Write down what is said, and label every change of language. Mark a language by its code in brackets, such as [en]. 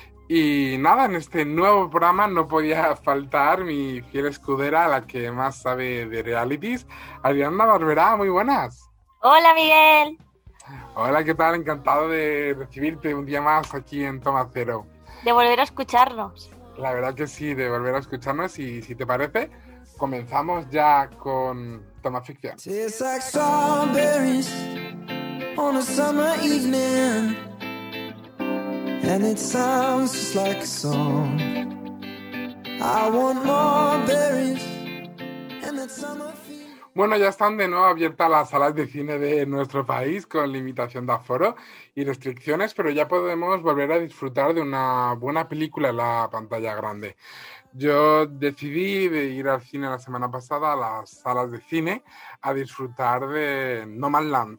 [es] Y nada, en este nuevo programa no podía faltar mi fiel escudera, la que más sabe de realities, Ariadna Barberá, muy buenas. Hola, Miguel. Hola, ¿qué tal? Encantado de recibirte un día más aquí en Toma Cero. De volver a escucharnos. La verdad que sí, de volver a escucharnos y si te parece, comenzamos ya con Toma Ficción. [en] It's like strawberries on a summer evening. And it sounds just like a song. I want more berries and that summer. [es] Bueno, ya están de nuevo abiertas las salas de cine de nuestro país con limitación de aforo y restricciones, pero ya podemos volver a disfrutar de una buena película en la pantalla grande. Yo decidí de ir al cine la semana pasada a las salas de cine a disfrutar de Nomadland.